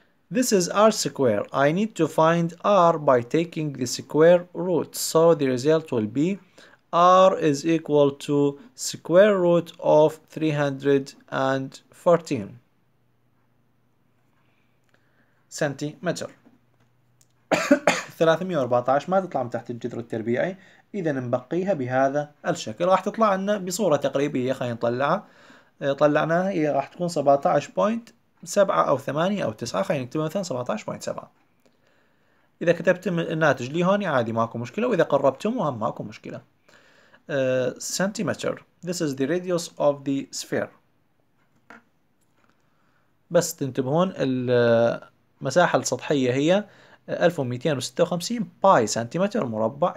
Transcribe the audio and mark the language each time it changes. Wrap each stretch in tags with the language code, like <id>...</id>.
<en>This is r square. I need to find r by taking the square root. So the result will be r is equal to square root of 314 centimeter.</en> <ar>314 ما تطلع من تحت الجذر التربيعي. إذا نبقيها بهذا الشكل راح تطلع لنا بصورة تقريبية. خلينا نطلعها. طلعناها هي راح تكون 17.7 أو 8 أو 9. خلينا نكتبها مثلا 17.7. إذا كتبت الناتج لي هون عادي ماكو مشكلة، وإذا قربتم وهم ماكو مشكلة.</ar> <en>Centimeter. This is the radius of the sphere.</en> <ar>بس تنتبهون المساحة السطحية هي 1256 باي سنتيمتر مربع.</ar>